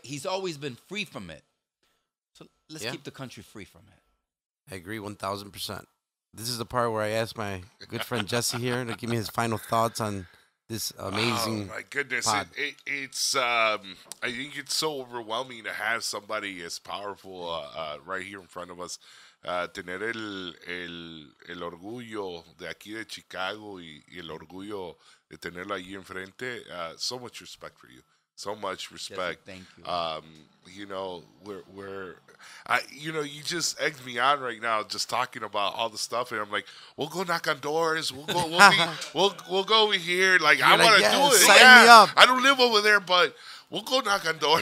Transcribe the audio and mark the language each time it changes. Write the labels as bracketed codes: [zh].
[en] He's always been free from it. Let's keep the country free from it. I agree 1,000%. This is the part where I ask my good friend Jesse here to give me his final thoughts on this amazing pod. Oh, my goodness. It's I think it's so overwhelming to have somebody as powerful right here in front of us. [es] Tener el orgullo de aquí de Chicago y el orgullo de tenerlo allí enfrente. [en] So much respect for you. So much respect. Jesse, thank you. You know, you just egged me on right now just talking about all the stuff, and I'm like, we'll go knock on doors, we'll go over here. Like, you're I wanna do it. I don't live over there, but we'll go knock on doors.